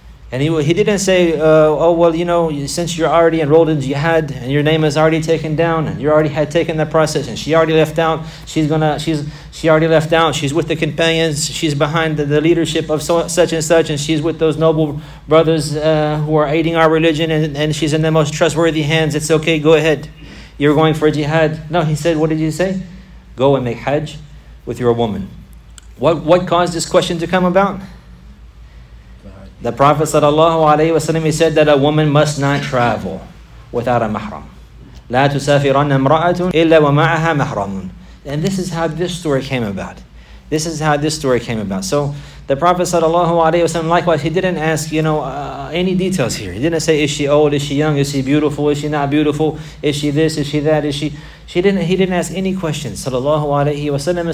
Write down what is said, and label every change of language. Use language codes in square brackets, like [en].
[en] And he didn't say, since you're already enrolled in jihad and your name is already taken down and you already had taken the process and she already left out, she's with the companions, she's behind the leadership of such and such, and she's with those noble brothers who are aiding our religion, and she's in the most trustworthy hands. It's okay, go ahead. You're going for jihad. No, he said, what did you say? Go and make Hajj with your woman. What caused this question to come about? The Prophet sallallahu alaihi wasallam, he said that a woman must not travel without a mahram. [ar] لا تسافرن امرأة إلا ومعها محرم. [en] And this is how this story came about. This is how this story came about. So the Prophet sallallahu alaihi wasallam, likewise, he didn't ask any details here. He didn't say, is she old? Is she young? Is she beautiful? Is she not beautiful? Is she this? Is she that? He didn't ask any questions sallallahu alaihi wasallam.